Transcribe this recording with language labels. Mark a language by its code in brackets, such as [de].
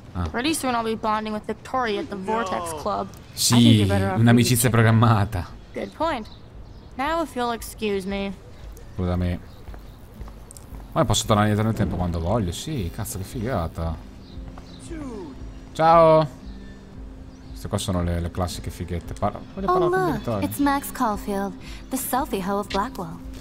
[en] Pretty soon I'll be bonding with Victoria at the Vortex Club. [it] Sì, un'amicizia programmata. [en] Good point. Now if you'll excuse me. [it] Scusami. Ma posso tornare indietro nel tempo quando voglio? Sì, cazzo, che figata. Ciao. Queste qua sono le classiche fighette. [en] Oh, look, it's Max Caulfield, the selfie hoe of Blackwell.